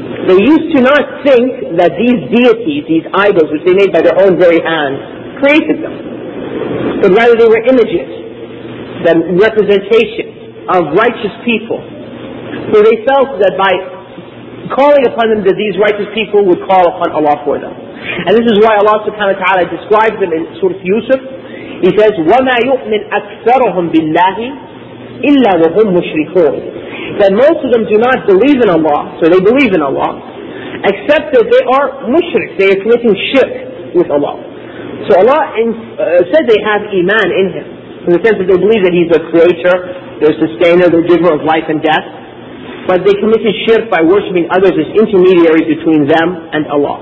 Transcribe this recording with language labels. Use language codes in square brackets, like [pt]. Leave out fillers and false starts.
[en] They used to not think that these deities, these idols which they made by their own very hands, created them. But rather they were images, than representations of righteous people. So they felt that by calling upon them that these righteous people would call upon Allah for them. And this is why Allah subhanahu wa ta'ala describes them in Surah Yusuf. He says, [ar] وَمَا يُؤْمِنْ أَكْثَرُهُمْ بِاللَّهِ إِلَّا وَهُمْ مُشْرِكُونَ. [en] That most of them do not believe in Allah, so they believe in Allah, except that they are mushrik, they are committing shirk with Allah. So Allah said they have iman in Him, in the sense that they believe that He's a creator, their sustainer, their giver of life and death, but they committed shirk by worshipping others as intermediaries between them and Allah.